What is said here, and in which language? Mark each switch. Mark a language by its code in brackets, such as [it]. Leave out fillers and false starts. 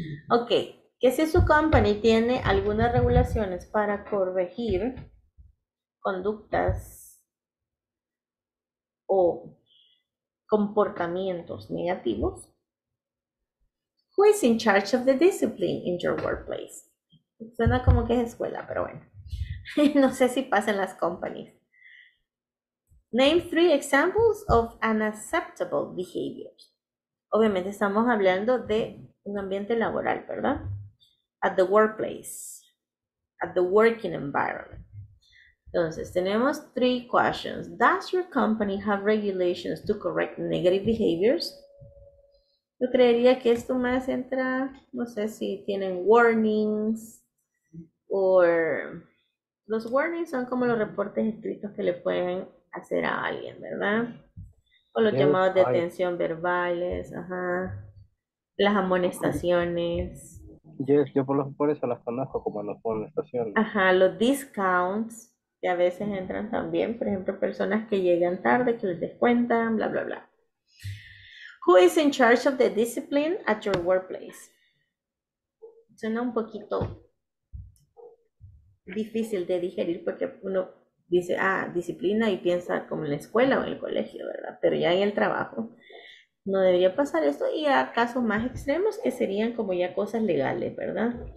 [es] Ok, que si su company tiene algunas regulaciones para corregir conductas o comportamientos negativos. [en] Who is in charge of the discipline in your workplace? [es] Suena como que es escuela, pero bueno. No sé si pasan las companies. [en] Name three examples of unacceptable behaviors. [es] Obviamente estamos hablando de un ambiente laboral, ¿verdad? [en] At the workplace. At the working environment. [es] Entonces, tenemos [en] three questions. Does your company have regulations to correct negative behaviors? [es] Yo creería que esto más entra, no sé si tienen [en] warnings or... [es] Los warnings son como los reportes escritos que le pueden hacer a alguien, ¿verdad? O los llamados de atención verbales, ajá. Las amonestaciones. [en] Yes, [es] yo por eso las conozco como las amonestaciones. Ajá, los discounts que a veces entran también. Por ejemplo, personas que llegan tarde, que les descuentan, bla, bla, bla. [en] Who is in charge of the discipline at your workplace? [es] Suena un poquito... difícil de digerir porque uno dice, ah, disciplina y piensa como en la escuela o en el colegio, ¿verdad? Pero ya en el trabajo no debería pasar esto y a casos más extremos que serían como ya cosas legales, ¿verdad?